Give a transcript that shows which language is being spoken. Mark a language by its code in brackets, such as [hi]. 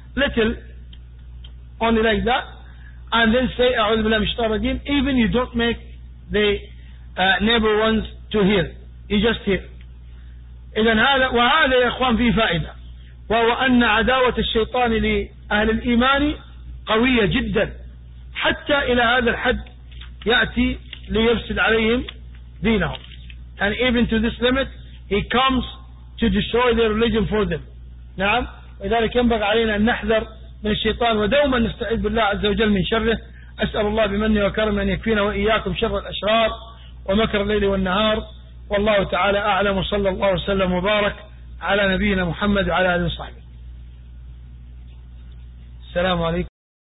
[en] Little, only like that, and then say [ar] "A'udhu billahi minash shaitanir rajeem." [en] Even you don't make the neighbor ones to hear; you just hear. [ar] إذن هذا وهذا يا إخوان في فائدة وهو أن عداوة الشيطان لأهل الإيمان قوية جدا حتى إلى هذا الحد يأتي ليفسد عليهم دينهم. [en] And even to this limit, he comes to destroy their religion for them. [ar] نعم. وذلك ينبغى علينا أن نحذر من الشيطان ودوما نستعيذ بالله عز وجل من شره. أسأل الله بمنه وكرمه أن يكفينا وإياكم شر الأشرار ومكر الليل والنهار. والله تعالى أعلم، وصلى الله وسلم وبارك على نبينا محمد وعلى آله وصحبه. السلام عليكم.